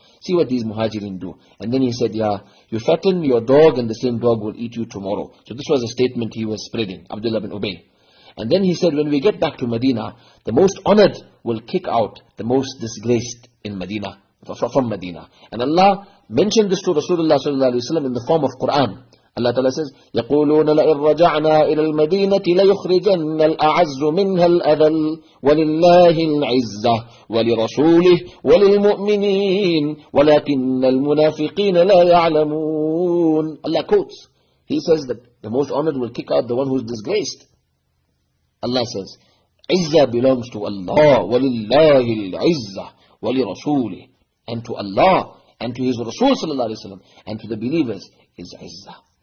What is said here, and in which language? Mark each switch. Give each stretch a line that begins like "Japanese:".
English: See what these Muhajirin do. And then he said, yeah, you fatten your dog and the same dog will eat you tomorrow. So this was a statement he was spreading, Abdullah bin Ubay. And then he said, when we get back to Medina, the most honored will kick out the most disgraced in Medina, from Medina. And Allah mentioned this to Rasulullah sallallahu alaihi wasallam in the form of Quran. Allah Ta'ala says,
Arabic: يَقُولُونَ لَئِن رَجَعْنَا إِلَى الْمَدِينَةِ لَيُخْرِجَنَّ الْأَعَزُّ مِنْهَا الْأَذَلُ وَلِلَّهِ الْعِزَّةِ وَلِرَسُولِهِ وَلِلْمُؤْمِنِينَ وَلَكِنَّ الْمُنَافِقِينَ لَا يَعْلَمُونَ.
English: Allah quotes, he says that the most honored will kick out the one who is disgraced. Allah says, عِزَّة belongs to Allah,
Arabic: وَلِلَّهِ الْعِزَّةِ وَلِرَسُولِهِ,
English: and to Allah and to his Rasul sallallahu alayhi wa sallam, and to the believers is izzah.